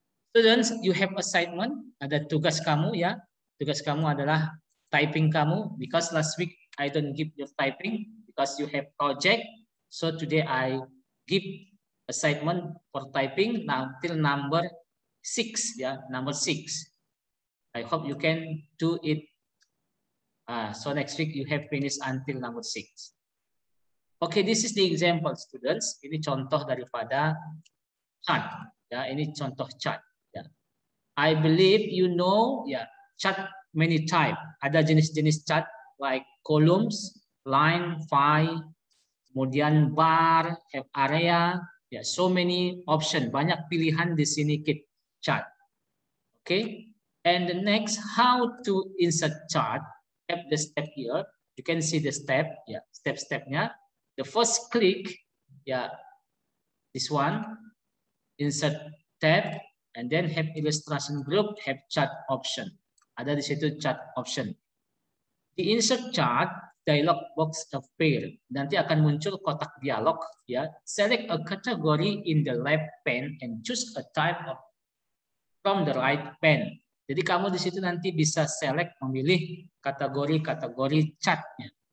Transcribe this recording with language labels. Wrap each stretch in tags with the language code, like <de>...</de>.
<en>Students, you have assignment,</en> <id>ada tugas kamu ya. Tugas kamu adalah typing kamu,</id> <en>because last week I don't give your typing because you have project. So today I give assignment for typing now till number 6 ya, number 6. I hope you can do it. So next week you have finished until number 6. Okay, this is the example, students.</en> <id>Ini contoh daripada chart. Ya, ini contoh chart. Ya.</id> <en>I believe you know, ya, chart many type.</en> <id>Ada jenis-jenis</id> <en>chart like columns, line, file,</en> <id>kemudian</id> <en>bar, have area.</en> <id>Ya,</id> <en>so many option.</en> <id>Banyak pilihan di sini kit chart. Okay.</id> <en>And the next, how to insert chart? Have the step here. You can see the step.</en> <id>Ya, step-stepnya.</id> <en>The first click, yeah, this one, insert tab, and then have illustration group, have chart option.</en> <id>Ada di situ</id> <en>chart option. The insert chart dialog box appear.</en> <id>Nanti akan muncul kotak dialog.</id> <en>Yeah, select a category in the left pane and choose a type of from the right pane.</en> <id>Jadi kamu di situ nanti bisa select memilih kategori-kategori chartnya.</id>